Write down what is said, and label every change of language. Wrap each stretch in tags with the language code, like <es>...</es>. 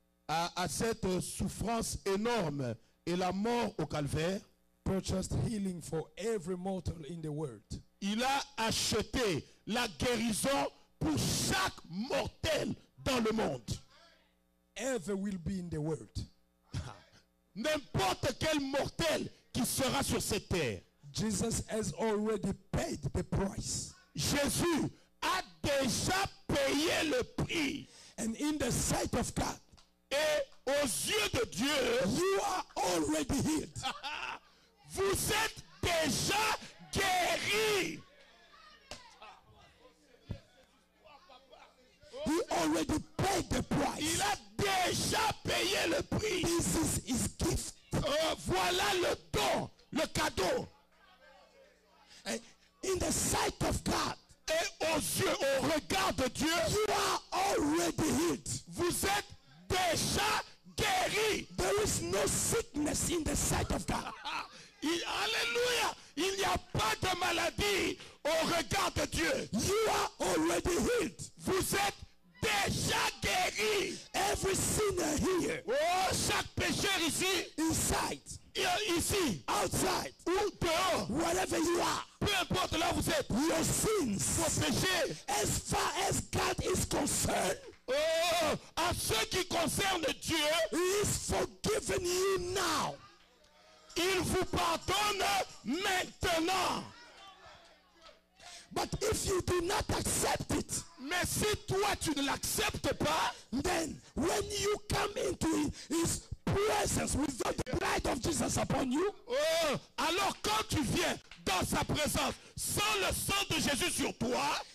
<fr>À cette souffrance énorme et la mort au calvaire.</fr> <en>Purchased healing for every mortal in the world.</en> <fr>Il a acheté la guérison pour chaque mortel dans le monde.</fr> <en>Ever will be in the world.</en> <fr>N'importe quel mortel qui sera sur cette terre.</fr> <en>Jesus has already paid the price.</en> <fr>Jésus a déjà payé le prix.</fr> <en>And in the sight of God.</en> <fr>Et aux yeux de Dieu.</fr> <en>You are already healed.</en> <fr>Vous êtes déjà guéri.</fr> <en>He already paid the price.</en> <fr>Il a déjà payé le prix.</fr> <en>This is his gift.</en> <fr>Voilà le don, le cadeau.</fr> <en>In the sight of God.</en> <fr>Et aux yeux, au regard de Dieu.</fr> <en>You are already healed.</en> <fr>Vous êtes déjà guéri.</fr> <en>There is no sickness in the sight of God.</en> <fr>Alléluia. Il n'y a pas de maladie au regard de Dieu.</fr> <en>You are already healed.</en> <fr>Vous êtes déjà guéri.</fr> <en>Every sinner here.</en> <fr>Oh, chaque pécheur ici.</fr> <en>Inside.</en> <fr>Ici.</fr> <en>Outside.</en> <fr>Ou dehors.</fr> <en>Whatever you are.</en> <fr>Peu importe là où vous êtes.</fr> <en>Your sins.</en> <fr>Vos péchés.</fr> <en>As far as God is concerned.</en> <fr>Oh, à ceux qui concernent Dieu.</fr> <en>He is forgiven you now.</en> <fr>Il vous pardonne maintenant.</fr> <en>But if you do not accept it,</en> <fr>mais si toi tu ne l'acceptes pas,</fr> <en>then when you come into his presence without the blood of Jesus upon you,</en> <fr>oh, alors quand tu viens dans sa présence sans le sang de Jésus sur toi,</fr>